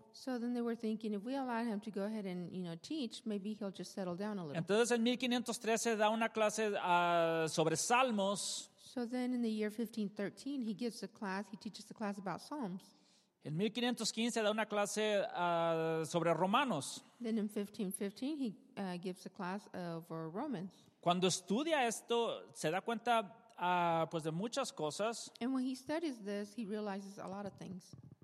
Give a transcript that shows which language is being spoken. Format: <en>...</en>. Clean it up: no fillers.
<en>So then they were thinking, if we allow him to go ahead and, you know, teach, maybe he'll just settle down a little.</en> <es>Entonces en 1513 da una clase sobre Salmos.</es> <en>So then in the year 1513, he gives a class, he teaches a class about Psalms.</en> <es>En 1515 da una clase sobre Romanos.</es> <en>Then in 1515, he gives a class over Romans.</en> <es>Cuando estudia esto, se da cuenta pues de muchas cosas.</es> <en>And when he studies this, he realizes a lot of things.</en>